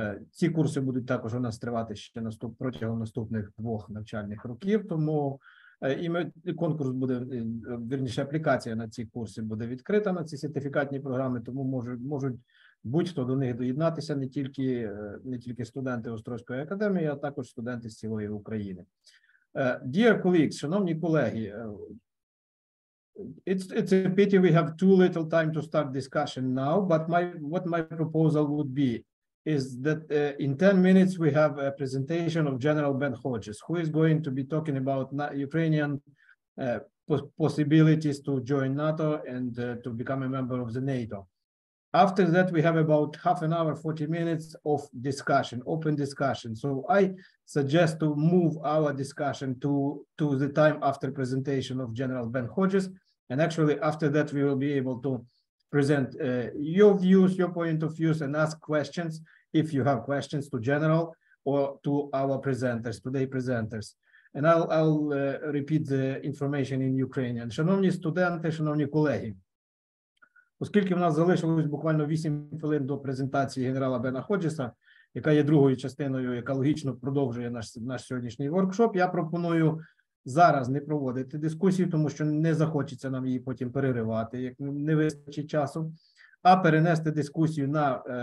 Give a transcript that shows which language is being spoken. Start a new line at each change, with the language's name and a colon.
Ukrainian: Ці курси будуть також у нас тривати ще протягом наступних 2 навчальних років, тому і конкурс буде, вірніше, аплікація на ці курси буде відкрита, на ці сертифікатні програми, тому можуть будь-хто до них доєднатися, не тільки студенти Острозької академії, а також студенти з цілої України.
English: Dear colleagues,
Ukrainian: шановні колеги,
English: it's a pity we have too little time to start discussion now, but what my proposal would be is that in 10 minutes we have a presentation of General Ben Hodges, who is going to be talking about Ukrainian possibilities to join NATO and to become a member of the NATO. After that, we have about half an hour, 40 minutes of discussion, open discussion. So I suggest to move our discussion to the time after presentation of General Ben Hodges. And actually, after that, we will be able to present your views, your point of views, and ask questions, if you have questions, to General or to our presenters, today presenters. And I'll repeat the information in Ukrainian.
Ukrainian: Шановні студенти, шановні колеги, оскільки в нас залишилось буквально 8 хвилин до презентації генерала Бена Ходжеса, яка є другою частиною, яка логічно продовжує наш сьогоднішній воркшоп, я пропоную зараз не проводити дискусію, тому що не захочеться нам її потім переривати, як не вистачить часу, а перенести дискусію на